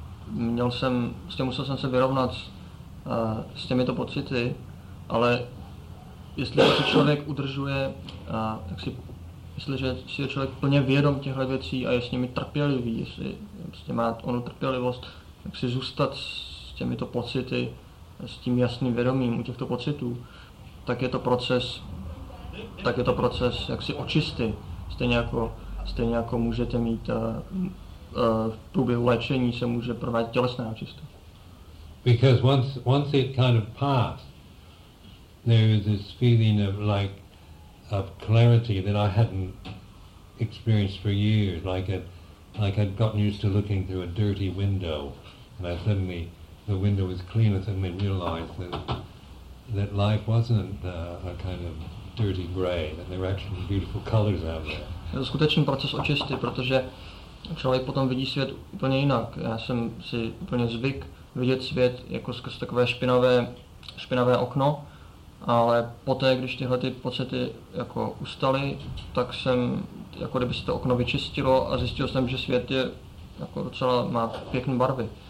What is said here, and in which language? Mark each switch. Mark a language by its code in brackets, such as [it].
[cs] Musel jsem se vyrovnat s těmito pocity, ale jestliže si je člověk plně vědom těchto věcí a je s nimi trpělivý, jestli prostě má onu trpělivost, tak si zůstat s těmito pocity, s tím jasným vědomím u těchto pocitů, tak je to proces jaksi očisty. Stejně jako můžete mít v průběhu léčení se může provádět tělesná očista. [en] Because once it kind of passed, there is this feeling of clarity that I hadn't experienced for years, like I'd gotten used to looking through a dirty window, and I suddenly the window was clean, and suddenly realized that life wasn't a kind of dirty gray, that there were actually beautiful colors out there. [cs] Skutečný proces očisty, protože Člověk potom vidí svět úplně jinak. Já jsem si úplně zvyk vidět svět jako skrz takové špinavé okno, ale poté, když tyhle ty pocity jako ustaly, tak jsem, jako kdyby se to okno vyčistilo a zjistil jsem, že svět je jako docela, má pěkné barvy.